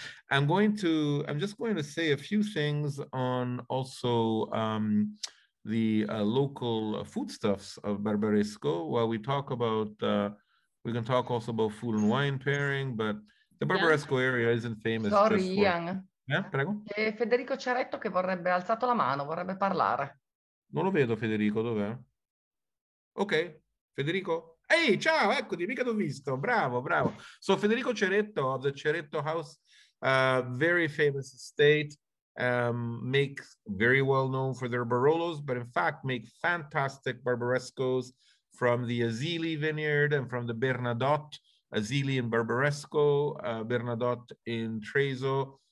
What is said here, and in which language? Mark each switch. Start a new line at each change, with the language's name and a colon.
English: I'm just going to say a few things on also the local foodstuffs of Barbaresco. While we talk about, we can talk also about food and wine pairing, but the Barbaresco area isn't famous. Sorry, just for...
Italian: Young. Prego. E Federico Ceretto che vorrebbe alzato la mano, vorrebbe parlare. Non lo vedo, Federico, dov'è? Ok, Federico, Ehi, hey, ciao, eccoti, mica ti ho visto. Bravo, bravo.
English: So Federico Ceretto of the Ceretto House, very famous estate, makes very well known for their Barolos, but in fact make fantastic Barbarescos from the Azili vineyard and from the Bernadotte, Azili in Barbaresco, Bernadotte in Trezzo.